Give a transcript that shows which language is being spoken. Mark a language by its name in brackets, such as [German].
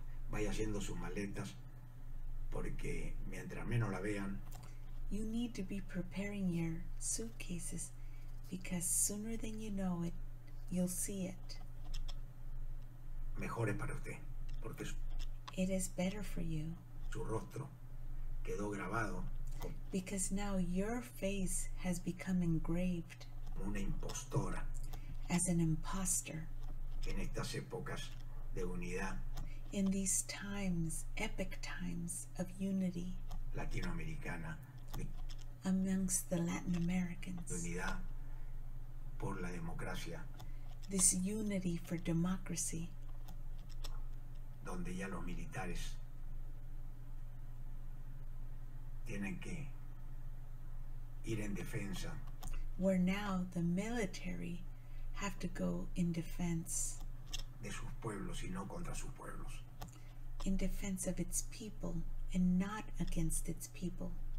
[Spanish] Vaya haciendo sus maletas, porque mientras menos la vean. [English] You need to be preparing your suitcases, because sooner than you know it, you'll see it. [Spanish] Mejor es para usted, porque [English] it is better for you. [Spanish] Su rostro quedó grabado. [English] Because now your face has become engraved. [Spanish] Una impostora. [English] As an imposter. [Spanish] En estas épocas de unidad. [English] In these times, epic times of unity. [Spanish] Latinoamericana. [English] Amongst the Latin Americans. [Spanish] Unidad por la democracia. [English] This unity for democracy. [Spanish] Donde ya los militares tienen que ir en defensa. [English] Where now the military have to go in defense. [Spanish] De sus pueblos y no contra sus pueblos. [English] In defense of its people and not against its people.